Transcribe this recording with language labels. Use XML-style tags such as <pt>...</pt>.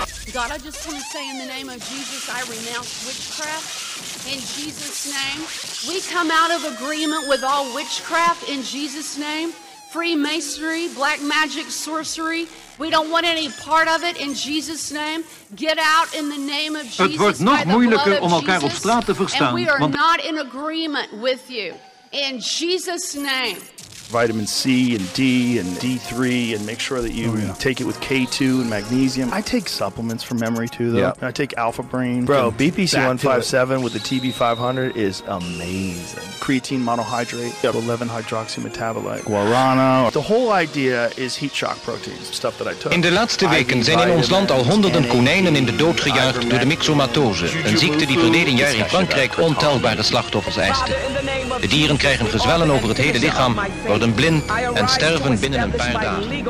<en>God, I just want to say in the name of Jesus, I renounce witchcraft in Jesus' name. We come out of agreement with all witchcraft in Jesus' name. Freemasonry, black magic, sorcery. We don't want any part of it in Jesus' name. Get out in the name of Jesus.</en> <nl>Het wordt nog moeilijker om elkaar op straat te verstaan.</nl> <en>And we are not in agreement with you. In Jesus' name. vitamin C and D and D3 and make sure that you take it with K2 and magnesium. I take supplements for memory too, though. Yep. I take Alpha Brain. Bro, BPC-157 with the TB500 is amazing. Creatine monohydrate, 11-hydroxymetabolite. Guarana. The whole idea is heat shock proteins, stuff that I took.</en> <nl>In de laatste weken zijn in ons land al honderden konijnen in de dood gejaagd door de myxomatose, een ziekte die verleden jaar in Frankrijk ontelbare slachtoffers eiste. De dieren krijgen gezwellen over het hele lichaam, worden blind en sterven binnen een paar dagen.</nl>